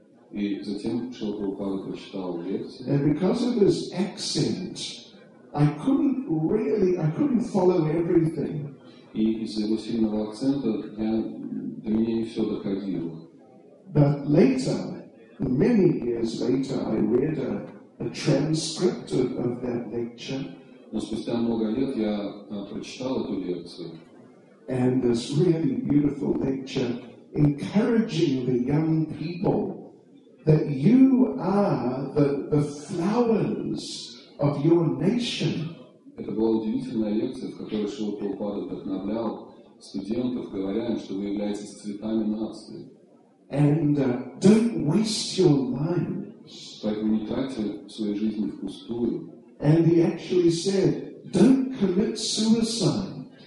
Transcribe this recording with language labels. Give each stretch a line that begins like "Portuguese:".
Russian: И затем Srila Prabhupada прочитал лекцию.
English: And because of his accent, I couldn't follow everything.
Russian: И из-за его сильного акцента до меня не все доходило.
English: But later, many years later, I read a transcript of that lecture.
Russian: Но спустя много лет я прочитал эту лекцию.
English: And this really beautiful lecture encouraging the young people that you are the flowers of your nation.
Russian: Это была удивительная лекция, в которой Шрила Прабхупада вдохновлял студентов, говоря им, что вы являетесь цветами нации.
English: And don't waste your lives.
Russian: Поэтому не тратьте своей жизни впустую.
English: And he actually said, "Don't commit suicide."